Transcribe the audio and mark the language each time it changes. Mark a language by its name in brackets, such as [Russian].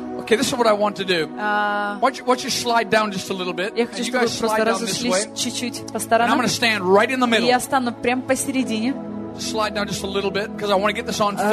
[English] Okay, this is what I want to do. Why don't you slide down just a little bit? [Russian] Я хочу, чтобы вы просто разошлись чуть-чуть по сторонам. [English] And I'm going to stand right in the middle. [Russian] Я стану прямо посередине. [English] Slide down just a little bit because I want to get this on film.